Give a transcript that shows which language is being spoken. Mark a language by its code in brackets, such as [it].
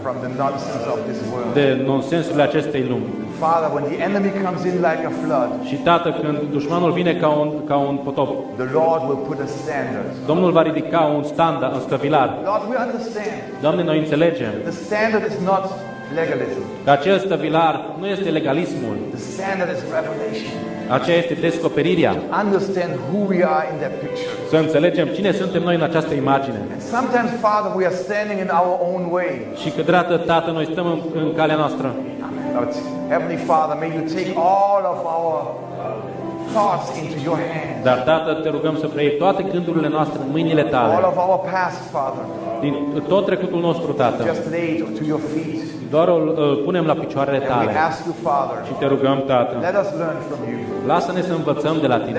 [en] From the nonsense of this world. [ro] De nonsensurile acestei lumi. [en] Father, when the enemy comes in like a flood. [ro] Și Tată, când dușmanul vine ca un potop. [en] The Lord will put a standard. [ro] Domnul va ridica un standard, un stăvilar. [en] Lord, we understand. [ro] Doamne, noi înțelegem. [en] The standard is not legalism. [ro] Că acest stăvilar nu este legalismul. [en] The standard is revelation. [ro] Aceea este descoperirea. [en] Understand who we are in that picture. [ro] Să înțelegem cine suntem noi în această imagine. [en] Sometimes, Father, we are standing in our own way. [ro] Și câteodată, Tată, noi stăm în calea noastră. [en] Lord, Heavenly Father, may you take all of our thoughts into your hands. [ro] Dar Tată, te rugăm să preiei toate gândurile noastre în mâinile Tale. [en] All of our past, Father. [ro] Din tot trecutul nostru, Tată. [en] Just lay it to your feet. [ro] Doar îl punem la picioarele Tale. [en] And we ask you, Father, [ro] și te rugăm, Tată. [en] Let us learn from you. [ro] Lasă-ne să învățăm de la Tine.